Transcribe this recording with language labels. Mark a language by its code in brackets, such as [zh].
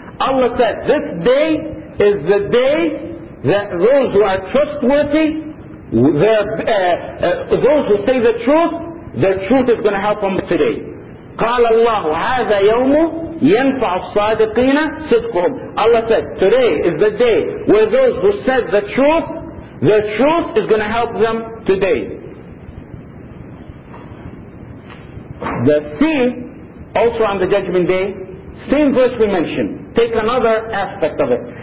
[en] Allah said, this day is the day that those who are trustworthy, those who say the truth is going to help them today. [ar] قال الله هذا يوم ينفع الصادقين صدقهم. [en] Allah said, today is the day where those who said the truth, the truth is going to help them today. The C, also on the judgment day, same verse we mentioned. Take another aspect of it.